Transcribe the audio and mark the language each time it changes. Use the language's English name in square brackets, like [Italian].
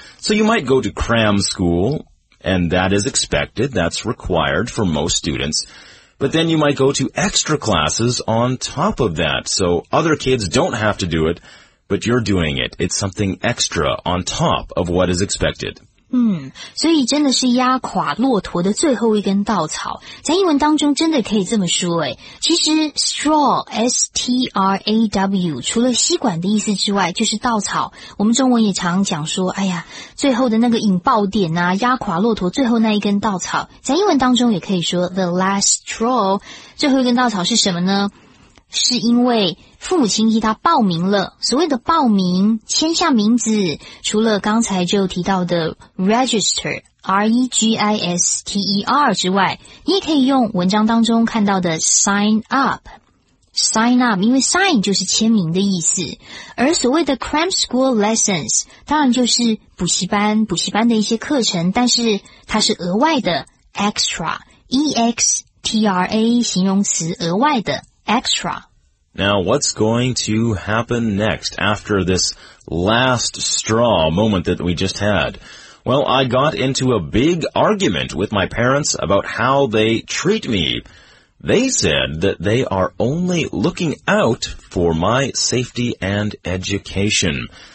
[English] So you might go to cram school, and that is expected. That's required for most students. But then you might go to extra classes on top of that, so other kids don't have to do it, but you're doing it. It's something extra on top of what is expected. [Chinese] 所以真的是压垮骆驼的最后一根稻草。在英文当中真的可以这么说诶。其实 straw, S-T-R-A-W, 除了吸管的意思之外就是稻草。我们中文也常讲说哎呀最后的那个引爆点啊压垮骆驼最后那一根稻草。在英文当中也可以说 [English] the last straw, [Chinese] 最后一根稻草是什么呢是因为父母亲替他报名了所谓的报名签下名字除了刚才就提到的 register R-E-G-I-S-T-E-R 之外你也可以用文章当中看到的 [English] sign up [Chinese] 因为 sign 就是签名的意思而所谓的 [English] cram school lessons [Chinese] 当然就是补习班的一些课程但是它是额外的 extra E-X-T-R-A 形容词额外的extra. [English] Now, what's going to happen next after this last straw moment that we just had? Well, I got into a big argument with my parents about how they treat me. They said that they are only looking out for my safety and education.